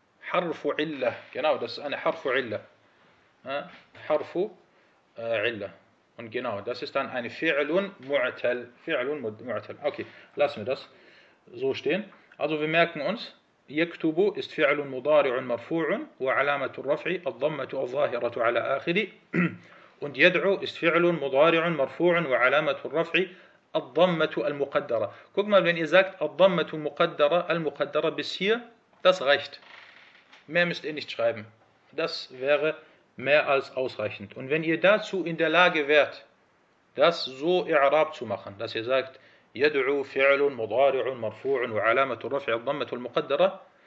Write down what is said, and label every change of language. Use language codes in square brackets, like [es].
[de] Harfu illa, genau, das ist eine Harfu illa. Harfu illa. Und genau, das ist dann eine Fi'lun mu'tal. Fi'lun mu'tal. Okay, lassen wir das so stehen. Also wir merken uns, [ar] يكتبوا استفعل مضارع مرفوع وعلامة الرفع الضمة الظاهرة على آخره und يدعو استفعل مضارع مرفوع وعلامة الرفع الضمة المقدرة. [de] Guck mal, wenn ihr sagt الضمة المقدرة, المقدرة bis hier, das reicht. Mehr müsst ihr nicht schreiben. Das wäre mehr als ausreichend. Und wenn ihr dazu in der Lage wärt, das so إعراب zu machen, dass ihr sagt [ar] يدعو فعل مضارع مرفوع وعلامة الرفع الضمة المقدرة.